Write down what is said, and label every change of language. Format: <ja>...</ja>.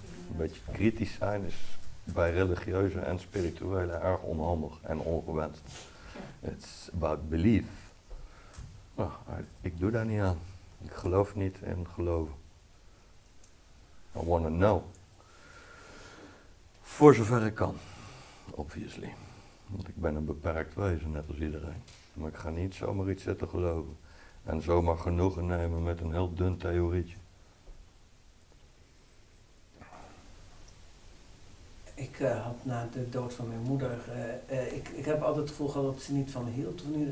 <nl>Een beetje kritisch zijn is bij religieuze en spirituele erg onhandig en ongewenst.</nl> <en>It's about belief.</en> <nl>Nou, ik doe daar niet aan. Ik geloof niet in geloven.</nl> <en>I want to know.</en> <nl>Voor zover ik kan, obviously. Want ik ben een beperkt wezen, net als iedereen. Maar ik ga niet zomaar iets zitten geloven. En zomaar genoegen nemen met een heel dun theorietje. Ik had na de dood van mijn moeder... Ik heb altijd het gevoel gehad dat ze niet van me hield.</nl>